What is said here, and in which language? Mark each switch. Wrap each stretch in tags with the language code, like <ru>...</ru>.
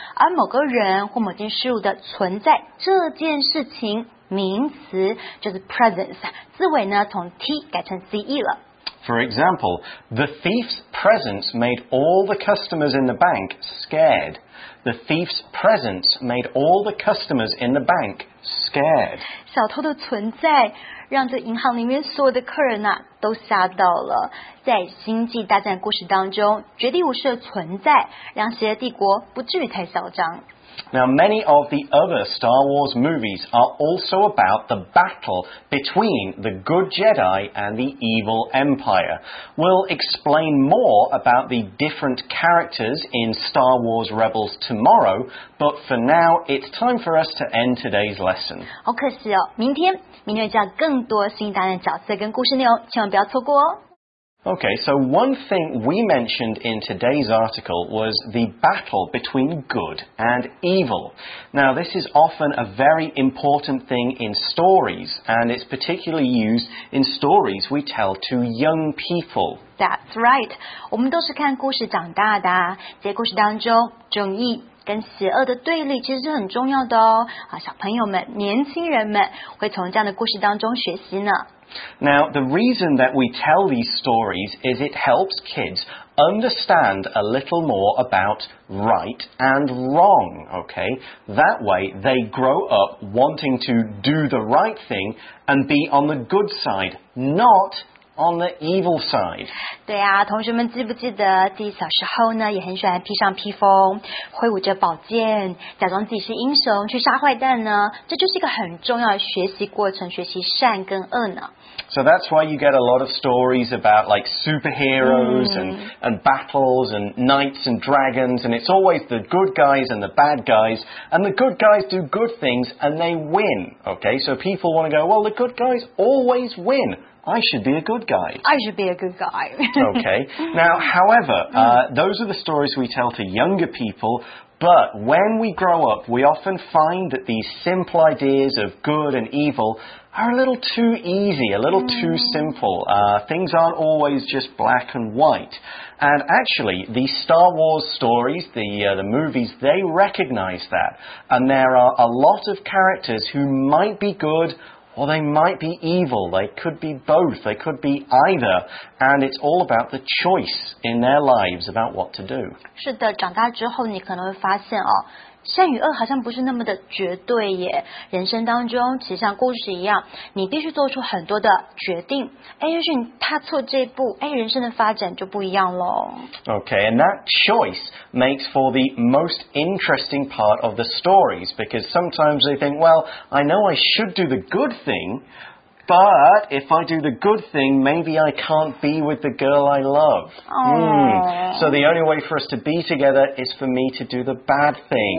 <zh>而某个人或某件事物的存在这件事情名词就是 presence, 字尾呢从 T 改成 CE 了。</zh> <en>For example, the thief's presence made all the customers in the bank scared. The thief's presence made all the customers in the bank scared.</en> <zh>小偷的存在让这银行里面所有的客人啊都吓到了。在星际大战故事当中，绝地武士的存在让邪恶帝国不至于太嚣张。</zh> <en>Now, many of the other Star Wars movies are also about the battle between the good Jedi and the evil Empire. We'll explain more about the different characters in Star Wars Rebels tomorrow, but for now, it's time for us to end today's lesson.</en> <zh>好可惜哦，明天会教更多星际大战角色跟故事内容，千万不要错过哦。</zh> <en>Okay, so one thing we mentioned in today's article was the battle between good and evil. Now, this is often a very important thing in stories, and it's particularly used in stories we tell to young people. That's right.</en> <zh>我们都是看故事长大的，在故事当中，正义跟邪恶的对立其实是很重要的哦。小朋友们，年轻人们会从这样的故事当中学习呢。</zh> <en>Now, the reason that we tell these stories is it helps kids understand a little more about right and wrong, okay? That way, they grow up wanting to do the right thing and be on the good side, not on the evil side.</en> <zh>对啊，同学们记不记得自己小时候呢，也很喜欢披上披风，挥舞着宝剑，假装自己是英雄去杀坏蛋呢？这就是一个很重要的学习过程，学习善跟恶呢。</zh> <en>So that's why you get a lot of stories about like superheroes and battles and knights and dragons, and it's always the good guys and the bad guys, and the good guys do good things and they win. Okay, so people want to go, well, the good guys always win. I should be a good guy. Okay, now, however, those are the stories we tell to younger people. But when we grow up, we often find that these simple ideas of good and evil are a little too easy, a little too simple. Things aren't always just black and white. And actually, the Star Wars stories, the movies, they recognize that. And there are a lot of characters who might be good or they might be evil. They could be both. They could be either. And it's all about the choice in their lives about what to do.</en> <zh>是的，长大之后你可能会发现哦，善与恶好像不是那么的绝对耶。人生当中，其实像故事一样，你必须做出很多的决定。哎，也许你踏错这一步，哎，人生的发展就不一样咯。</zh> <en>Okay, and that choice makes for the most interesting part of the stories, because sometimes they think, well, I know I should do the good thing,But if I do the good thing, maybe I can't be with the girl I love. So the only way for us to be together is for me to do the bad thing.</en>